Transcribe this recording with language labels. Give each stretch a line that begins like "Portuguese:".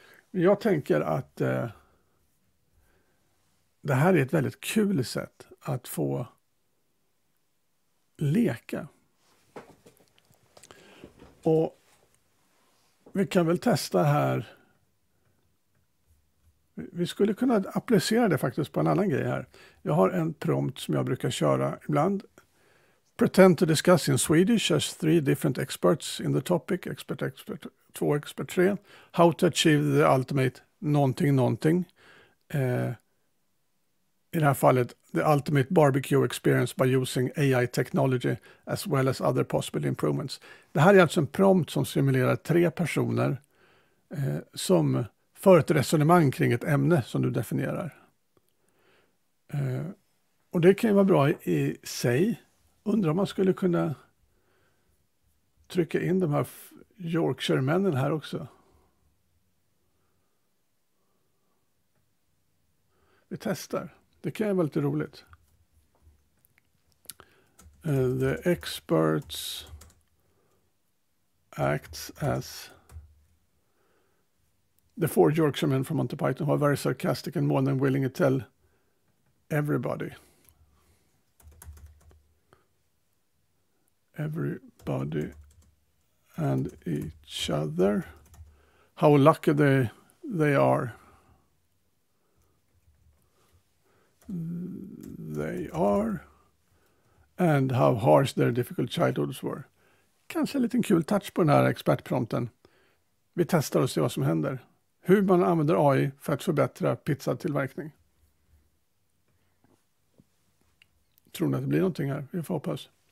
Swedish: Men jag tänker att det här är ett väldigt kul sätt att få leka. Och vi kan väl testa här. Vi skulle kunna applicera det faktiskt på en annan grej här. Jag har en prompt som jag brukar köra ibland.
English: Pretend to discuss in Swedish as three different experts in the topic. Expert, expert 2, expert 3. How to achieve the ultimate
Swedish: någonting, någonting. I det här fallet,
English: the ultimate barbecue experience by using AI technology as well as other possible improvements.
Swedish: Det här är alltså en prompt som simulerar tre personer som för ett resonemang kring ett ämne som du definierar. Och det kan ju vara bra i sig. Undrar om man skulle kunna trycka in de här Yorkshire-männen här också. Vi testar. Det kan ju vara lite roligt.
English: The experts acts as the four Yorkshiremen from Monty Python who are very sarcastic and more than willing to tell everybody. Everybody and each other. How lucky they are. They are. And how harsh their difficult childhoods were.
Swedish: Kanske en liten kul touch på den här expertprompten. Vi testar och ser vad som händer. Hur man använder AI för att förbättra pizzatillverkning. Tror ni att det blir någonting här? Vi får hoppas.